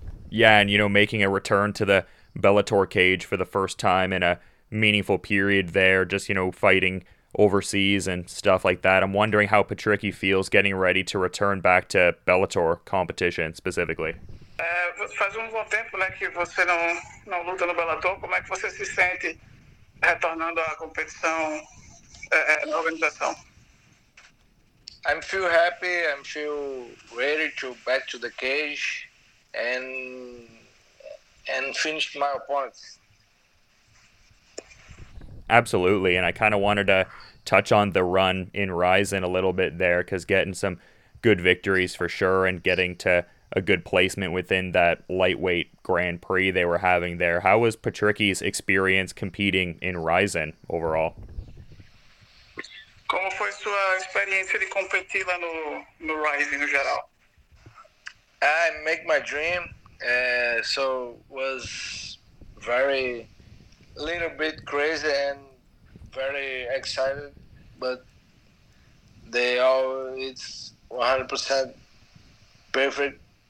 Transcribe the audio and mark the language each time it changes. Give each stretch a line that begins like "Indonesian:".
English: Yeah, and you know, making a return to the Bellator cage for the first time in a meaningful period there, just, you know, fighting overseas and stuff like that. I'm wondering how Patricky feels getting ready to return back to Bellator competition specifically.
Portuguese: Faz um bom tempo, né, que você não luta no Bellator. Como é que você se sente retornando à competição na organização?
English: I'm feel happy. I'm feel ready to back to the cage and finish my opponents. Absolutely, and I kind of wanted to touch on the run in Ryzen a little bit there, because getting some good victories for sure and getting to a good placement within that lightweight Grand Prix they were having there. How was Patricky's experience competing in Ryzen overall?
Portuguese: Como foi sua experiência de competir lá no Ryzen no geral?
English: I make my dream, so was very little bit crazy and very excited, but it's 100% perfect.